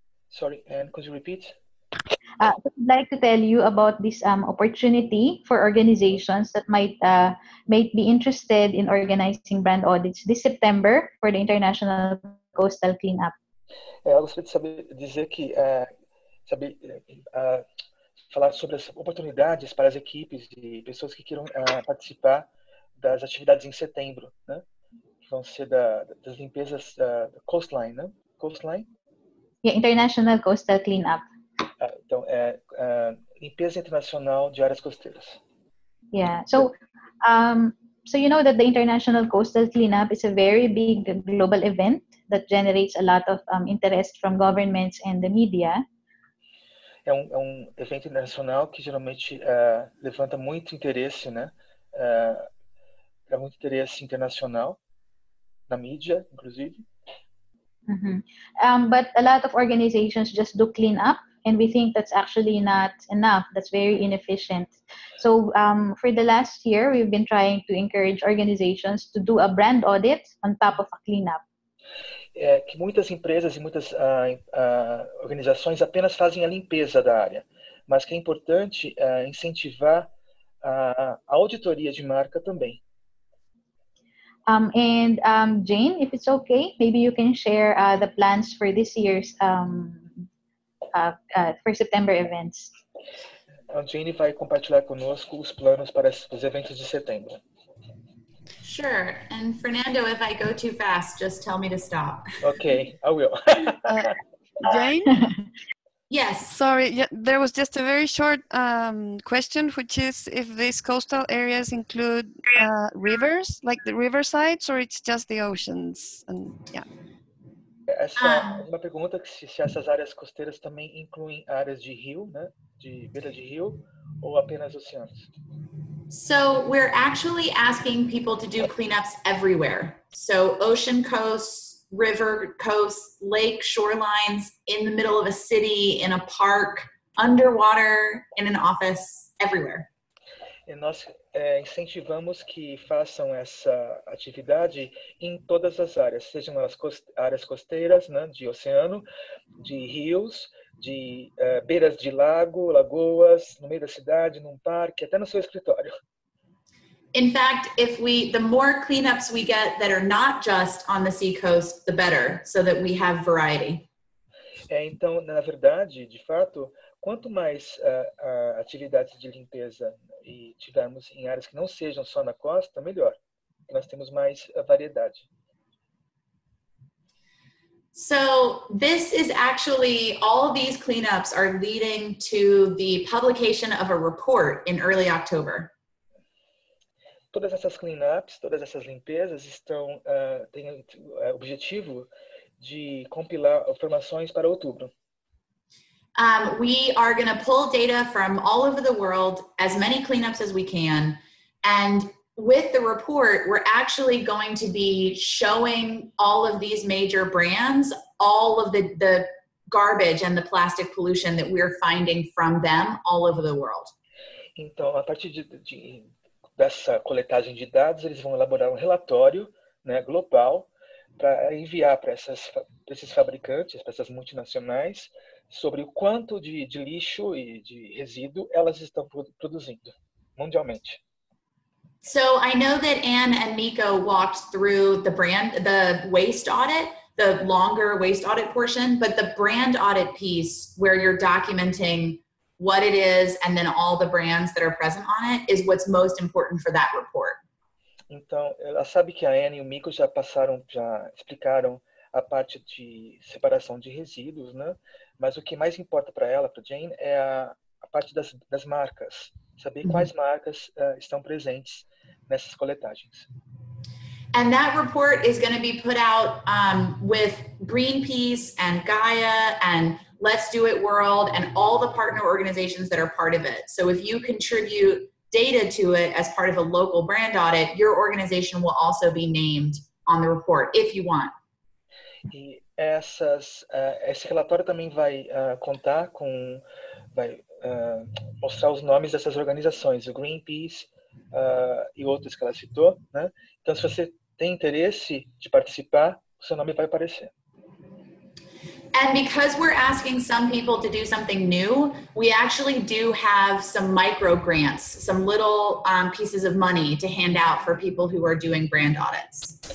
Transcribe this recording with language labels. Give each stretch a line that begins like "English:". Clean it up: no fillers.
English: Sorry, Anne, could you repeat? I'd like to tell you about this opportunity for organizations that might be interested in organizing brand audits this September for the International Coastal Cleanup.
Portuguese: Eu gostaria de falar sobre as oportunidades para as equipes de pessoas que queiram participar das atividades em setembro, né? Que vão ser das limpezas da coastline, né? Coastline?
English: Yeah, International Coastal Cleanup.
Portuguese: Então, limpeza internacional de áreas costeiras.
English: Yeah, so you know that the International Coastal Cleanup is a very big global event that generates a lot of interest from governments and the media.
Portuguese: É um evento internacional que geralmente levanta muito interesse, né? É muito interesse internacional, na mídia, inclusive. Mm-hmm.
English: But a lot of organizations just do clean up, and we think that's actually not enough. That's very inefficient. So for the last year, we've been trying to encourage organizations to do a brand audit on top of a clean up.
Portuguese: É que muitas empresas e muitas organizações apenas fazem a limpeza da área, mas que é importante incentivar a auditoria de marca também.
English: Jane, if it's okay, maybe you can share the plans for this year's for September events.
Portuguese: Jane vai compartilhar conosco os planos para os eventos de setembro.
English: Sure. And Fernando, if I go too fast, just tell me to stop. Okay, I will. Jane? Yes. Sorry, there was just a very short question, which is if these coastal areas include rivers, like the riversides, or it's just the oceans? And yeah.
Portuguese: Essa é uma pergunta que se essas áreas costeiras também incluem áreas de rio, né, de beira de rio, ou apenas oceanos?
English: So we're actually asking people to do cleanups everywhere. So ocean coasts, river coasts, lake shorelines, in the middle of a city, in a park, underwater, in an office, everywhere.
Portuguese: E nós incentivamos que façam essa atividade em todas as áreas, sejam as áreas costeiras, né, de oceano, de rios, de beiras de lago, lagoas, no meio da cidade, num parque, até no seu escritório.
English: In fact, the more cleanups we get that are not just on the seacoast, the better, so that we have variety.
Portuguese: Então, na verdade, de fato, quanto mais atividades de limpeza e tivermos em áreas que não sejam só na costa, melhor. Nós temos mais variedade.
English: So this is actually, all these cleanups are leading to the publication of a report in early October.
Portuguese: Todas essas cleanups, todas essas limpezas estão têm objetivo de compilar informações para outubro.
English: We are going to pull data from all over the world, as many cleanups as we can, and with the report, we're actually going to be showing all of these major brands all of the garbage and the plastic pollution that we're finding from them all over the world.
Portuguese: Então, a partir dessa coletagem de dados, eles vão elaborar um relatório, né, global para enviar para esses fabricantes, para essas multinacionais, sobre o quanto de lixo e de resíduo elas estão produzindo mundialmente.
English: So I know that Anne and Nico walked through the brand, the waste audit, the longer waste audit portion, but the brand audit piece where you're documenting what it is and then all the brands that are present on it is what's most important for that report.
Portuguese: Então, ela sabe que a Anne e o Mico já passaram, já explicaram a parte de separação de resíduos, né? Mas o que mais importa para ela, para Jane, é a parte das marcas. Saber quais marcas estão presentes nessas coletagens.
English: And that report is going to be put out with Greenpeace and GAIA and Let's Do It World and all the partner organizations that are part of it. So if you contribute data to it as part of a local brand audit, your organization will also be named on the report, if you want.
Portuguese: E essas, esse relatório também vai contar com, vai mostrar os nomes dessas organizações, o Greenpeace e outras que ela citou, né? Então, se você tem interesse de participar, o seu nome vai aparecer.
English: And because we're asking some people to do something new, we actually do have some micro grants, some little pieces of money to hand out for people who are doing brand audits.